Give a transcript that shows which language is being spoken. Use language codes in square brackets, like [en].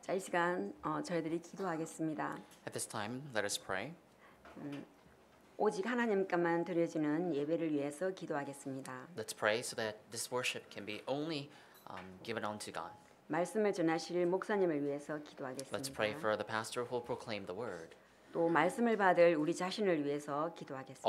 [ko] 저희들이 기도하겠습니다. [en] At this time, let us pray. [ko] 오직 하나님께만 드려지는 예배를 위해서 기도하겠습니다. [en] Let's pray so that this worship can be only given unto God. [ko] 말씀을 전하실 목사님을 위해서 기도하겠습니다. [en] Let's pray for the pastor who will proclaim the word. [ko] 또 말씀을 받을 우리 자신을 위해서 기도하겠습니다.